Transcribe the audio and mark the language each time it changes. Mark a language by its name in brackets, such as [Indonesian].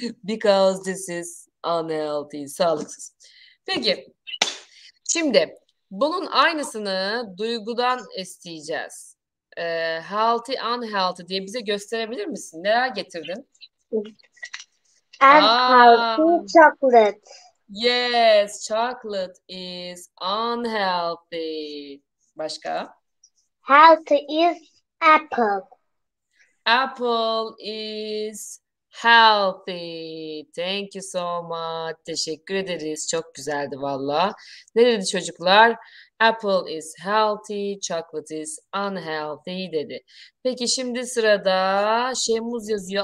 [English] Because this is unhealthy. [Turkish] Sağlıksız. Peki. Şimdi bunun aynısını duygudan isteyeceğiz. Healthy, unhealthy diye bize gösterebilir misin? Neler getirdin? [English] Healthy chocolate. Yes, chocolate is unhealthy. [Turkish] Başka? [English] Healthy is apple. Apple is healthy. Thank you so much. [Turkish] Teşekkür ederiz. Çok güzeldi valla. Ne dedi çocuklar? [English] Apple is healthy, chocolate is unhealthy dedi. [Turkish] Peki şimdi sırada Şemuz yazıyor.